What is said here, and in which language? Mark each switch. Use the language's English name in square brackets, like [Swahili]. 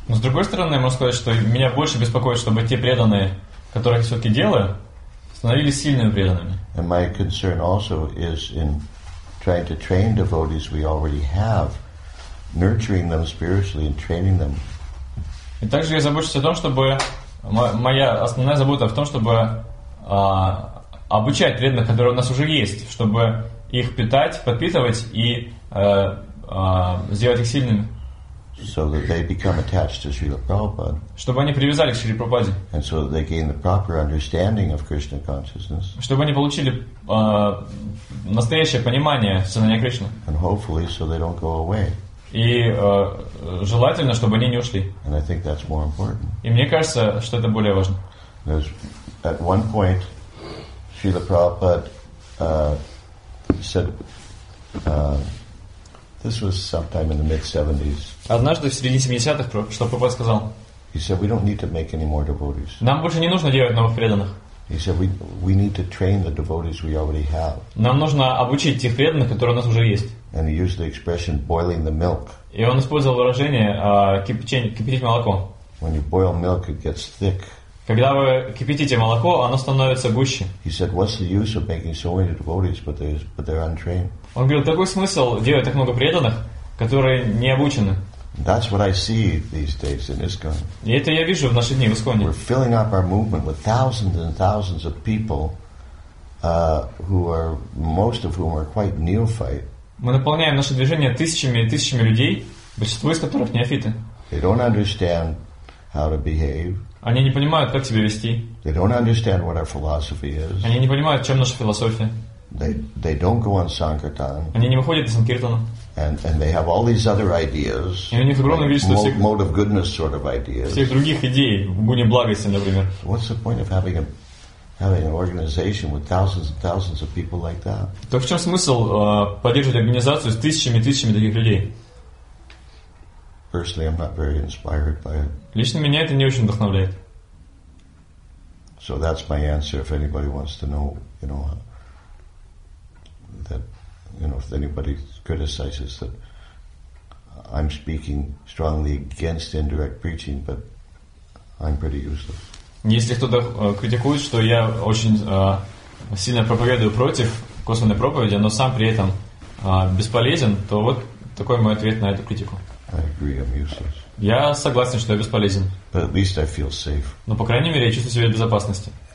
[Russian] Но с другой стороны, я могу сказать, что меня больше беспокоит, чтобы те преданные, которых я все-таки делаю, становились сильными преданными. [English] And my concern also is in trying to train devotees we already have, nurturing them spiritually and training them. [Russian] И также я забочусь о том, чтобы моя основная забота в том, чтобы обучать преданных, которые у нас уже есть, чтобы их питать, подпитывать и сделать их сильными. [English] So that they become attached to Srila Prabhupada. [Russian] Чтобы они привязали к Шриле Прабхупаде. [English] And so that they gain the proper understanding of Krishna consciousness. [Russian] Чтобы они получили настоящее понимание сознания Кришны. [English] And hopefully so they don't go away. [Russian] И желательно, чтобы они не ушли. [English] And I think that's more important. [Russian] И мне кажется, что это более важно. [English] There's, at one point, Srila Prabhupada said, this was sometime in the mid-70s. [Russian] Однажды в середине 70-х, что Прабхупада сказал? [English] He said, we don't need to make any more devotees. [Russian] Нам больше не нужно делать новых преданных. [English] He said, we need to train the devotees we already have. [Russian] Нам нужно обучить тех преданных, которые у нас уже есть. [English] And he used the expression boiling the milk. [Russian] И он использовал выражение кипятить молоко. [English] When you boil milk, it gets thick. [Russian] Когда вы кипятите молоко, оно становится гуще. [English] He said, what's the use of making so many devotees, but they're untrained? [Russian] Он говорил, какой смысл делать так много преданных, которые не обучены? [English] That's what I see these days in ISKCON. [Russian] И это я вижу в наши дни в ИСККОНе. [English] We're filling up our movement with thousands and thousands of people, who are most of whom are quite neophyte. [Russian] Мы наполняем наше движение тысячами и тысячами людей, большинство из которых неофиты. [English] They don't understand how to behave. [Russian] Они не понимают, как себя вести. [English] They don't understand what our philosophy is. [Russian] Они не понимают, в чем наша философия. [English] They don't go on sankirtan. [Russian] Они не выходят из санкиртана. [English] And they have all these other ideas. [Russian] И у них огромное количество всех [English] mode of goodness sort of ideas. [Russian] Всех других идей в гуне благости, например. [English] What's the point of having an organization with thousands and thousands of people like that? [Russian] Так в чем смысл поддерживать организацию с тысячами и тысячами таких людей? [English] Personally, I'm not very inspired by it. [Russian] Лично меня это не очень вдохновляет. [English] So that's my answer. If anybody wants to know, if anybody criticizes that I'm speaking strongly against indirect preaching, but I'm pretty useless. [Russian] Если кто-то критикует, что я очень сильно проповедую против косвенной проповеди, но сам при этом бесполезен, то вот такой мой ответ на эту критику. [English] I agree, I'm useless. [Russian] Я согласен, что я бесполезен. [English] But at least I feel safe. [Russian] Но по крайней мере я чувствую себя в безопасности.